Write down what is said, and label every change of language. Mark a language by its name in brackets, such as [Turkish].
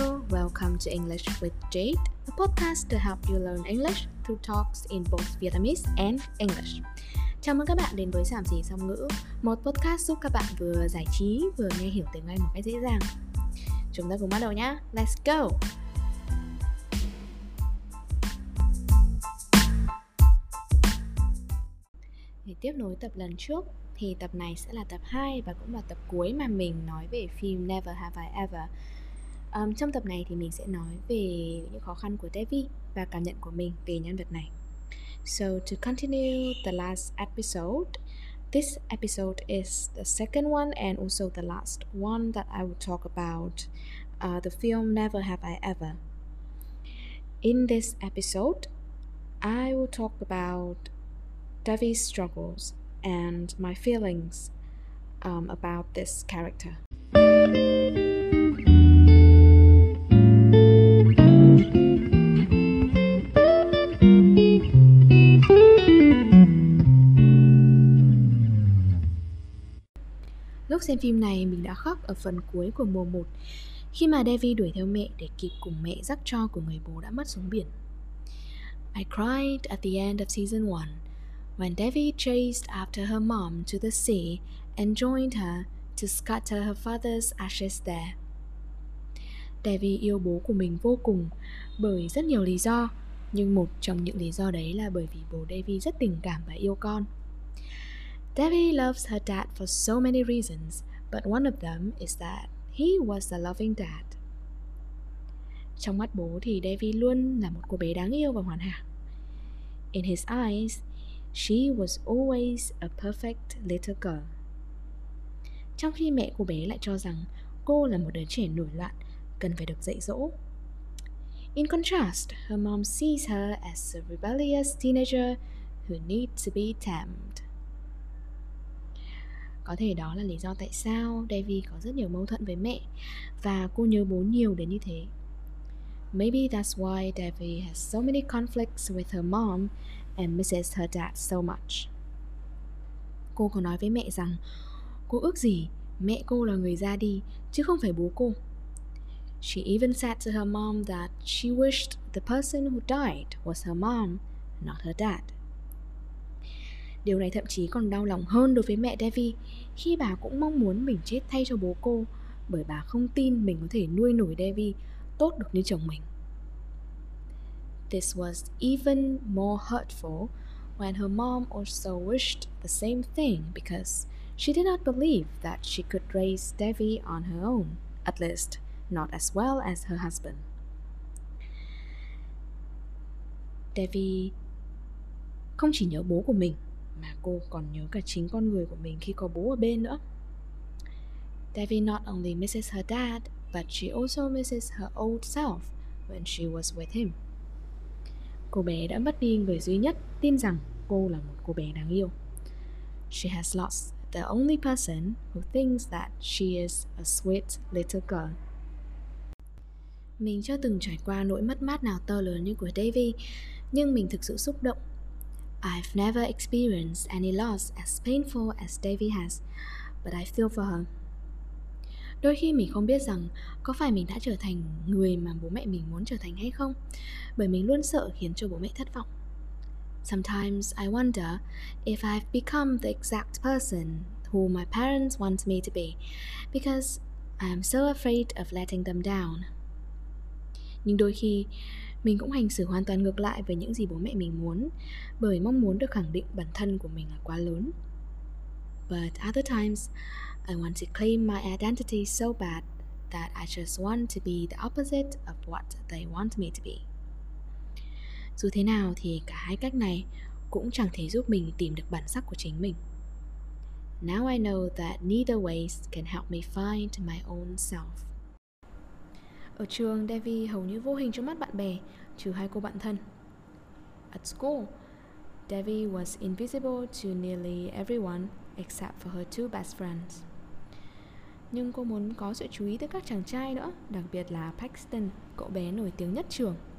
[English] Welcome to English with Jade, a podcast to help you learn English through talks in both Vietnamese and English. [Vietnamese] Chào mừng các bạn đến với Sảm Xỉ Song Ngữ, một podcast giúp các bạn vừa giải trí vừa nghe hiểu tiếng Anh một cách dễ dàng. Chúng ta cùng bắt đầu nhé. [English] Let's go! [Vietnamese] Để tiếp nối tập lần trước, thì tập này sẽ là tập 2 và cũng là tập cuối mà mình nói về phim Never Have I Ever. Trong tập này thì mình sẽ nói về những khó khăn của Debbie và cảm nhận của mình về nhân vật này. [English] So to continue the last episode, this episode is the second one and also the last one that I will talk about the film Never Have I Ever. In this episode, I will talk about Debbie's struggles and my feelings about this character. [Vietnamese] Lúc xem phim này, mình đã khóc ở phần cuối của mùa 1 khi mà Debbie đuổi theo mẹ để kịp cùng mẹ dắt cho của người bố đã mất xuống biển. [English] I cried at the end of season 1 when Debbie chased after her mom to the sea and joined her to scatter her father's ashes there. [Vietnamese] Debbie yêu bố của mình vô cùng bởi rất nhiều lý do, nhưng một trong những lý do đấy là bởi vì bố Debbie rất tình cảm và yêu con. [English] Debbie loves her dad for so many reasons, but one of them is that he was a loving dad. [Vietnamese] Trong mắt bố thì Debbie luôn là một cô bé đáng yêu và hoàn hảo. [English] In his eyes, she was always a perfect little girl. [Vietnamese] Trong khi mẹ cô bé lại cho rằng cô là một đứa trẻ nổi loạn, cần phải được dạy dỗ. [English] In contrast, her mom sees her as a rebellious teenager who needs to be tamed. [Vietnamese] Có thể đó là lý do tại sao Debbie có rất nhiều mâu thuẫn với mẹ và cô nhớ bố nhiều đến như thế. [English] Maybe that's why Debbie has so many conflicts with her mom and misses her dad so much. [Vietnamese] Cô có nói với mẹ rằng cô ước gì mẹ cô là người ra đi chứ không phải bố cô. [English] She even said to her mom that she wished the person who died was her mom, not her dad. [Vietnamese] Điều này thậm chí còn đau lòng hơn đối với mẹ Debbie khi bà cũng mong muốn mình chết thay cho bố cô bởi bà không tin mình có thể nuôi nổi Debbie tốt được như chồng mình. [English] This was even more hurtful when her mom also wished the same thing because she did not believe that she could raise Debbie on her own, at least not as well as her husband. [Vietnamese] Debbie không chỉ nhớ bố của mình, mà cô còn nhớ cả chính con người của mình khi có bố ở bên nữa. [English] Debbie not only misses her dad, but she also misses her old self when she was with him. [Vietnamese] Cô bé đã mất đi người duy nhất tin rằng cô là một cô bé đáng yêu. [English] She has lost the only person who thinks that she is a sweet little girl. [Vietnamese] Mình chưa từng trải qua nỗi mất mát nào to lớn như của Debbie, nhưng mình thực sự xúc động. [English] I've never experienced any loss as painful as Debbie has, but I feel for her. [Vietnamese] Đôi khi mình không biết rằng có phải mình đã trở thành người mà bố mẹ mình muốn trở thành hay không, bởi mình luôn sợ khiến cho bố mẹ thất vọng. [English] Sometimes I wonder if I've become the exact person who my parents want me to be, because I am so afraid of letting them down. [Vietnamese] Nhưng đôi khi mình cũng hành xử hoàn toàn ngược lại với những gì bố mẹ mình muốn, bởi mong muốn được khẳng định bản thân của mình là quá lớn. [English] But other times, I want to claim my identity so bad that I just want to be the opposite of what they want me to be. [Vietnamese] Dù thế nào thì cả hai cách này cũng chẳng thể giúp mình tìm được bản sắc của chính mình. [English] Now I know that neither ways can help me find my own self. [Vietnamese] Ở trường, Debbie hầu như vô hình trong mắt bạn bè, trừ hai cô bạn thân. [English] At school, Debbie was invisible to nearly everyone except for her two best friends. [Vietnamese] Nhưng cô muốn có sự chú ý tới các chàng trai nữa, đặc biệt là Paxton, cậu bé nổi tiếng nhất trường.